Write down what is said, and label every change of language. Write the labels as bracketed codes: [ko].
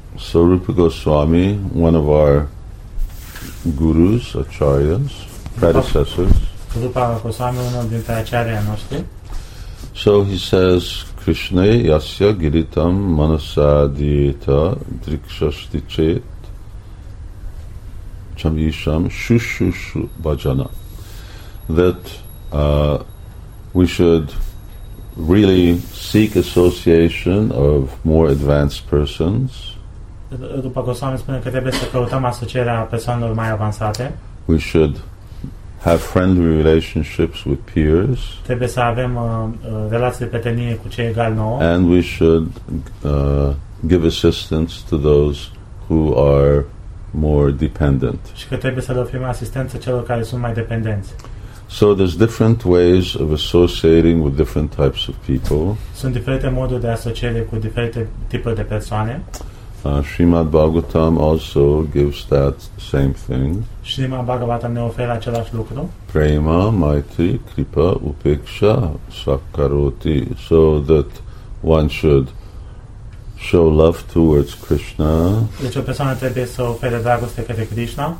[en] So Rupa Goswami, one of our gurus, acharyas, predecessors. [ro] Rupa Goswami, unul dintre acharya noștri. [en] So he says, [sa] Krishna yasya giritam manasa dieta drikshasti chet chamisham shushushu bhajana. [en] That we should really seek association of more advanced persons. [ro] După Goswami spune că trebuie să căutăm asocierea persoanelor mai avansate. [en] We should have friendly relationships with peers. [ro] Trebuie să avem relații de prietenie cu cei egali nouă. [en] And we should give assistance to those who are more dependent. [ro] Și că trebuie să le oferim asistență celor care sunt mai dependenți. [en] So there's different ways of associating with different types of people. [ro] Sunt diferite moduri de asociere cu diferite tipuri de persoane. [en] Srimad Bhagavatam also gives that same thing. [ro] Srimad Bhagavatam ne oferă același lucru. [sa] Prema, maitri, kripa, upeksha, sakkaroti. [en] So that one should show love towards Krishna. [ro] Deci o persoană trebuie să ofere dragoste către Krishna.